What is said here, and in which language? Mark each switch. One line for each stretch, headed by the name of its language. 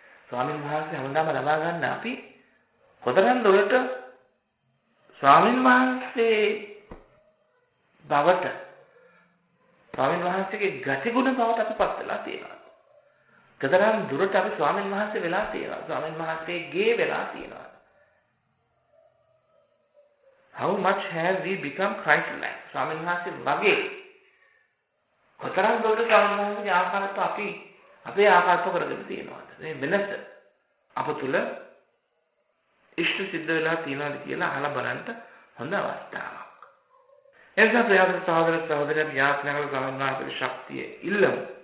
Sinhala: ස්වාමීන් වහන්සේ හැමදාම ලබා ගන්න අපි කොතරම් දුරට ස්වාමීන් වහන්සේ බවට, ස්වාමීන් වහන්සේගේ ගතිගුණ බවට අපි පත් වෙලා තියෙනවා. කතරම් දුරට අපි ස්වාමීන් වහන්සේ වෙලා තියෙනවා, ස්වාමීන් වහන්සේගේ වෙලා තියෙනවා.
English: How much have we become Christ-like?
Sinhala: ස්වාමීන් වහන්සේ වගේ කතරම් දුරට ස්වාමීන් වහන්සේගේ ආකල්ප අපි අපේ ආකල්ප කරගෙන තියෙනවාද? මේ වෙනස අප තුළ ඉෂ්ට සිද්ධ වෙලා තියෙනවාද කියලා අහලා බලන්න හොඳ අවස්ථාවක්. එසා ප්‍රයාදර සහෝදර සහෝදරයන් යාඥාකල ගමන්නාතර ශක්තිය ඉල්ලමු.